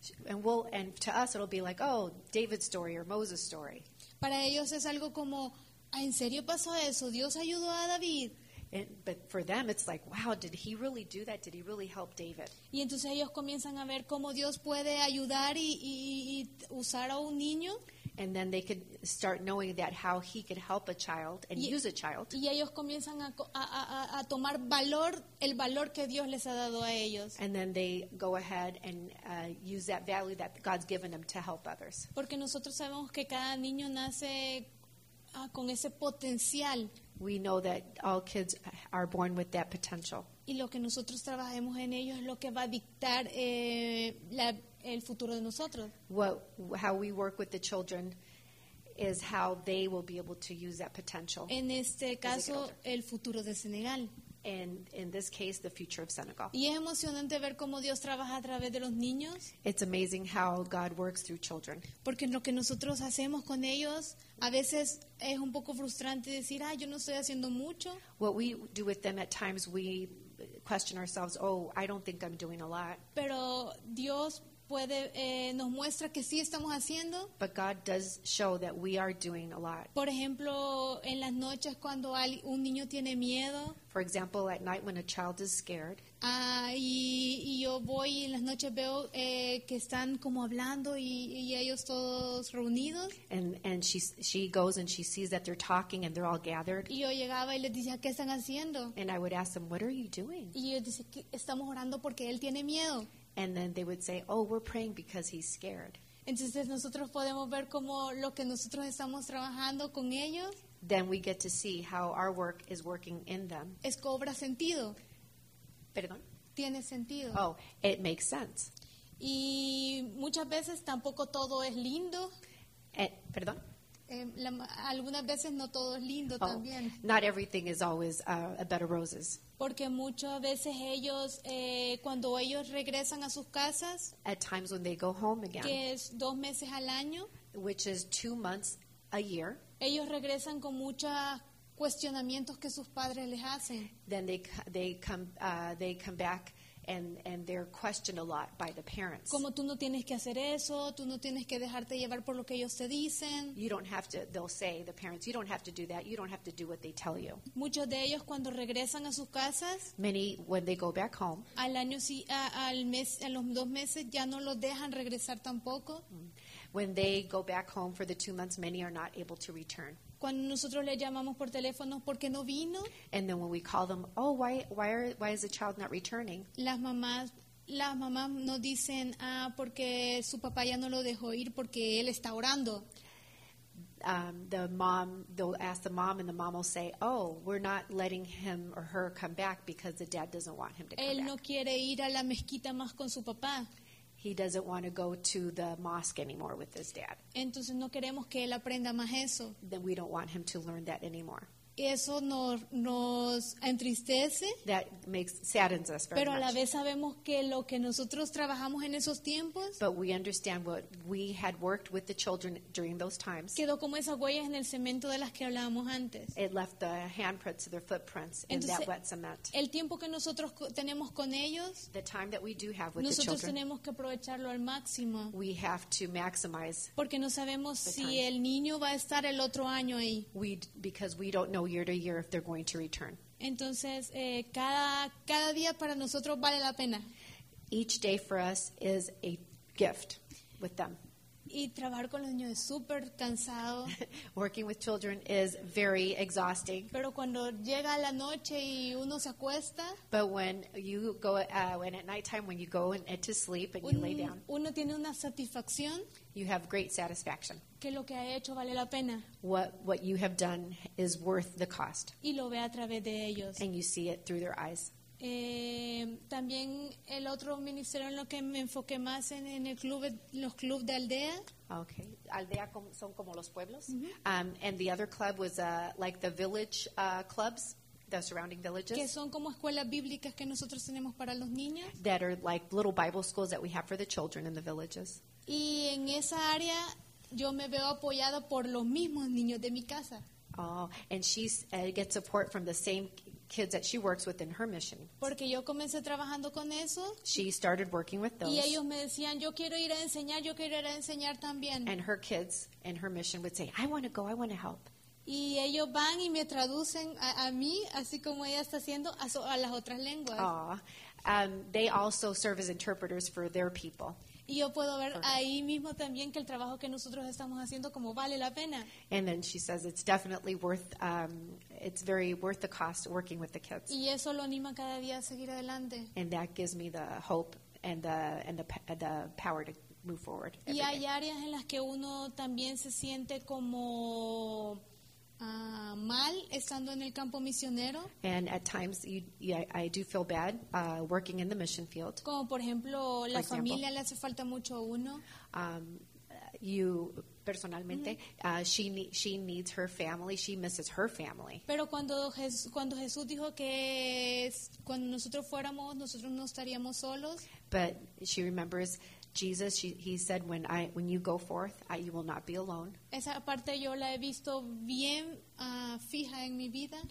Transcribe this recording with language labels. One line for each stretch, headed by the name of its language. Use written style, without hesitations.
English: And to us it'll be like, oh, David's story or Moses' story.
Spanish: Para ellos es algo como, ¿en serio pasó eso? ¿Dios ayudó a David?
English: But for them it's like, wow, did he really do that? Did he really help David?
Spanish: Y entonces ellos comienzan a ver cómo Dios puede ayudar y usar a un niño.
English: And then they could start knowing that how he could help a child and use a child.
Spanish: Y ellos comienzan a tomar valor, el valor que Dios les ha dado a ellos.
English: And then they go ahead and use that value that God's given them to help others.
Spanish: Porque nosotros sabemos que cada niño nace con ese potencial.
English: We know that all kids are born with that potential.
Spanish: Y lo que nosotros trabajemos en ellos es lo que va a dictar el futuro de nosotros.
English: How we work with the children is how they will be able to use that potential.
Spanish: En este caso, el futuro de Senegal.
English: And in this case, the future of Senegal.
Spanish: Y es emocionante ver cómo Dios trabaja a través de los niños.
English: It's amazing how God works through children.
Spanish: Porque lo que nosotros hacemos con ellos, a veces es un poco frustrante decir, yo no estoy haciendo mucho.
English: What we do with them at times, we question ourselves, oh, I don't think I'm doing a lot.
Spanish: Pero Dios nos muestra que sí estamos haciendo.
English: But God does show that we are doing a lot.
Spanish: Por ejemplo, en las noches cuando un niño tiene miedo.
English: For example, at night when a child is scared.
Spanish: Y yo voy y en las noches veo que están como hablando y ellos todos reunidos.
English: And she goes and she sees that they're talking and they're all gathered.
Spanish: Y yo llegaba y les decía, ¿qué están haciendo?
English: And I would ask them, what are you doing?
Spanish: Y ellos dicen, estamos orando porque él tiene miedo.
English: And then they would say, oh, we're praying because he's scared.
Spanish: Entonces nosotros podemos ver como lo que nosotros estamos trabajando con ellos.
English: Then we get to see how our work is working in them.
Spanish: Es cobra sentido. Perdón. Tiene sentido.
English: Oh, it makes sense.
Spanish: Y muchas veces tampoco todo es lindo. Perdón. Algunas veces no todo es lindo también.
English: Not everything is always a bed of roses.
Spanish: Porque muchas veces ellos, cuando ellos regresan a sus casas,
English: at times when they go home again,
Spanish: que es 2 meses al año,
English: which is 2 months a year,
Spanish: ellos regresan con muchas cuestionamientos que sus padres les hacen.
English: Then they come back and they're questioned a lot by the parents.
Spanish: Como tú no tienes que hacer eso, tú no tienes que dejarte llevar por lo que ellos te dicen.
English: You don't have to, they'll say, the parents, you don't have to do that, you don't have to do what they tell you.
Spanish: Muchos de ellos cuando regresan a sus casas,
English: many when they go back home,
Spanish: al año sí, al mes, a los 2 meses ya no los dejan regresar tampoco.
English: When they go back home for the 2 months, many are not able to return.
Spanish: Cuando nosotros le llamamos por teléfono, ¿por qué no vino?
English: And then when we call them, oh, why is the child not returning?
Spanish: Las mamás nos dicen, ah, porque su papá ya no lo dejó ir porque él está orando.
English: They'll ask the mom and the mom will say, oh, we're not letting him or her come back because the dad doesn't want him to come back.
Spanish: Él no quiere ir a la mezquita más con su papá.
English: He doesn't want to go to the mosque anymore with his dad.
Spanish: Entonces no queremos que él aprenda más eso.
English: Then we don't want him to learn that anymore.
Spanish: Eso nos entristece.
English: That saddens us very much.
Spanish: Pero a la vez sabemos que lo que nosotros trabajamos en esos tiempos.
English: But we understand what we had worked with the children during those times.
Spanish: Quedó como esas huellas en el cemento de las que hablábamos antes.
English: It left the handprints of their footprints.
Spanish: Entonces,
English: in that wet cement.
Spanish: El tiempo que nosotros tenemos con ellos.
English: The time that we do have with
Spanish: nosotros
English: the children.
Spanish: Nosotros tenemos que aprovecharlo al máximo.
English: We have to maximize.
Spanish: Porque no sabemos si el niño va a estar el otro año ahí.
English: Because we don't know year to year if they're going to return.
Spanish: Entonces, cada día para nosotros vale la pena.
English: Each day for us is a gift with them.
Spanish: Y trabajar con los niños es super cansado.
English: Working with children is very exhausting.
Spanish: Pero cuando llega la noche y uno se acuesta,
English: but when you go when at night time when you go and to sleep and you lay down,
Spanish: uno tiene una satisfacción.
English: You have great satisfaction.
Spanish: Que lo que ha hecho vale la pena.
English: What you have done is worth the cost.
Spanish: Y lo ve a través de ellos.
English: And you see it through their eyes.
Spanish: También el otro ministerio en lo que me enfoqué más en el club, los clubes de aldea.
English: Okay.
Spanish: Aldea son como los pueblos. Mm-hmm.
English: And the other club was like the village clubs, the surrounding villages.
Spanish: Que son como escuelas bíblicas que nosotros tenemos para los niños.
English: That are like little Bible schools that we have for the children in the villages.
Spanish: Y en esa área yo me veo apoyada por los mismos niños de mi casa.
English: Oh, and she gets support from the same kids that she works with in her mission.
Spanish: Porque yo comencé trabajando con eso.
English: She started working with those.
Spanish: Y ellos me decían, yo quiero ir a enseñar, yo quiero ir a enseñar también.
English: And her kids in her mission would say, I want to go, I want to help.
Spanish: Y ellos van y me traducen a mí, así como ella está haciendo, a las otras lenguas.
English: Oh, they also serve as interpreters for their people.
Spanish: Y yo puedo ver ahí mismo también que el trabajo que nosotros estamos haciendo como vale la pena.
English: And then she says it's definitely worth, it's very worth the cost working with the kids.
Spanish: Y eso lo anima cada día a seguir adelante.
English: And that gives me the hope and the power to move forward.
Spanish: Y hay áreas en las que uno también se siente como mal estando en el campo misionero.
English: And at times I do feel bad working in the mission field.
Spanish: Como por ejemplo, la familia le hace falta mucho a uno.
English: You personalmente, she needs her family, she misses her family.
Spanish: Pero cuando Jesús dijo que cuando nosotros fuéramos, nosotros no estaríamos solos.
English: But she remembers Jesus, he said, when you go forth, you will not be alone.
Spanish: Esa parte yo la he visto bien fija en mi vida.